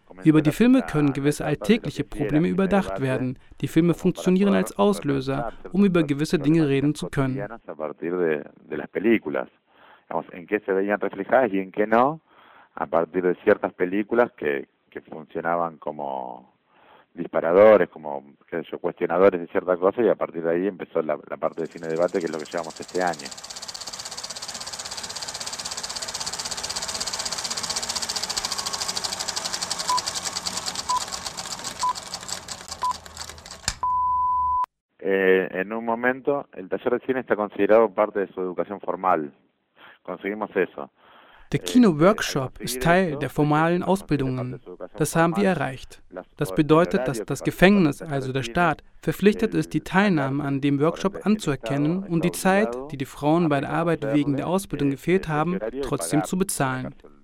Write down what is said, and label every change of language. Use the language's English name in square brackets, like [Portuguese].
[German] Über die Filme können gewisse alltägliche Probleme überdacht werden. Die Filme funktionieren als Auslöser, um über gewisse Dinge reden zu können. [Spanish] Disparadores, como qué sé yo, cuestionadores de cierta cosa, y a partir de ahí empezó la parte de cine debate, que es lo que llevamos este año. En un momento, el taller de cine está considerado parte de su educación formal. Conseguimos eso. [German] Der Kino-Workshop ist Teil der formalen Ausbildungen. Das haben wir erreicht. Das bedeutet, dass das Gefängnis, also der Staat, verpflichtet ist, die Teilnahme an dem Workshop anzuerkennen und die Zeit, die die Frauen bei der Arbeit wegen der Ausbildung gefehlt haben, trotzdem zu bezahlen.